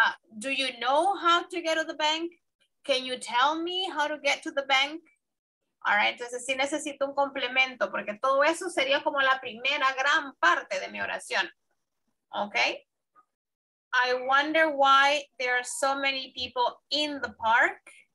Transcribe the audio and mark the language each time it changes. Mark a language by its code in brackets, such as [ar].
[en] Do you know how to get to the bank? Can you tell me how to get to the bank? [es] All right, entonces sí necesito un complemento porque todo eso sería como la primera gran parte de mi oración. [en] Okay. I wonder why there are so many people in the park.